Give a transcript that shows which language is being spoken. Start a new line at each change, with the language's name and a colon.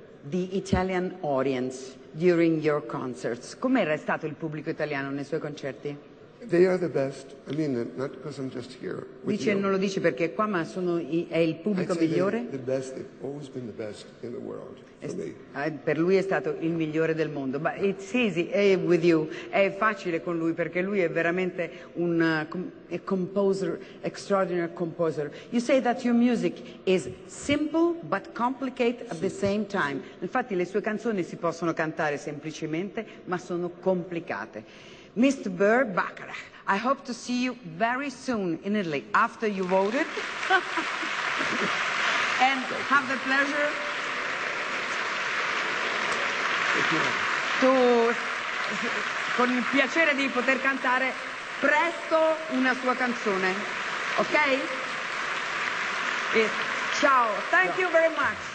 English: the Italian audience during your concerts?
Italian: Com'era stato il pubblico italiano nei suoi concerti?
English: They are the best. I mean, not because I'm just here.
Italian: Dice, non lo dice perché è qua, ma sono è il pubblico migliore.
English: The best. They've always been the best in the world for me.
Italian: Per lui è stato il migliore del mondo.
English: But it's easy with you.
Italian: È facile con lui perché lui è veramente un composer,
English: extraordinary composer. You say that your music is simple but complicated at the same time.
Italian: Infatti, le sue canzoni si possono cantare semplicemente, ma sono complicate.
English: Mr. Burr Bacharach, I hope to see you very soon in Italy, after you voted. And have the pleasure to,
Italian: con il piacere di poter cantare presto una sua canzone, ok? Ciao,
English: thank you very much.